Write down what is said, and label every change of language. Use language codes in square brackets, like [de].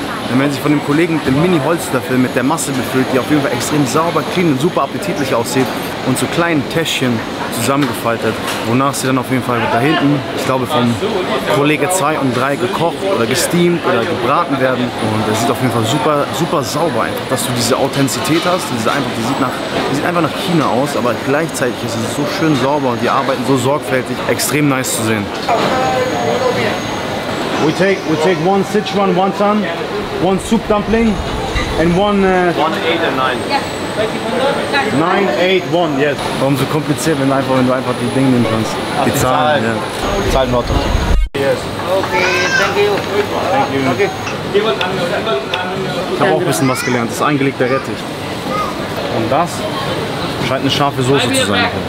[de] Dann werden sie von dem Kollegen mit dem Mini-Holzlöffel mit der Masse befüllt, die auf jeden Fall extrem sauber, clean und super appetitlich aussieht und so kleinen Täschchen zusammengefaltet, wonach sie dann auf jeden Fall da hinten, ich glaube von Kollege 2 und 3 gekocht oder gesteamt oder gebraten werden. Und es sieht auf jeden Fall super, super sauber einfach, dass du diese Authentizität hast. Die sieht einfach nach China aus, aber gleichzeitig ist es so schön sauber und die arbeiten so sorgfältig, extrem nice zu sehen. [en] We take one Sichuan wonton, one soup dumpling and one... 1, 8 and 9. 9, 8, 1, yes. [de] Warum so kompliziert, wenn du einfach die Dinge nehmen kannst? Die Zahlen, ja. Zahlen, [en] Yes. Okay, thank you. Thank you. Okay. [de] Ich habe auch ein bisschen was gelernt. Das ist eingelegter Rettich. Und das scheint eine scharfe Soße zu sein.